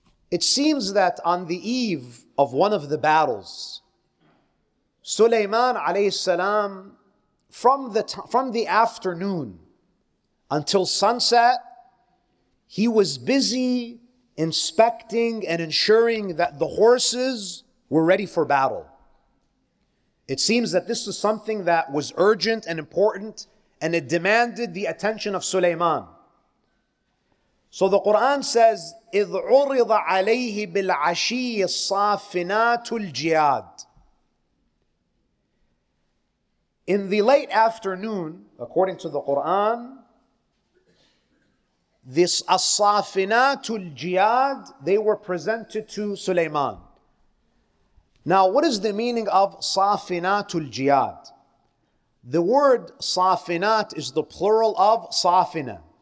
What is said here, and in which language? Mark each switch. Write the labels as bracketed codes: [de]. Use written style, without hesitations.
[en] It seems that on the eve of one of the battles, Suleiman alayhi salam, from the afternoon until sunset, he was busy inspecting and ensuring that the horses were ready for battle. It seems that this was something that was urgent and important, and it demanded the attention of Suleiman. So the Quran says, [ar] إِذْ عُرِضَ عَلَيْهِ بِالْعَشِيِّ الصَّافِنَاتُ الْجِيَادِ. [en] In the late afternoon, according to the Quran, this as-safinatul jihad, they were presented to Suleiman. Now, what is the meaning of safinatul jihad? The word safinat is the plural of safina.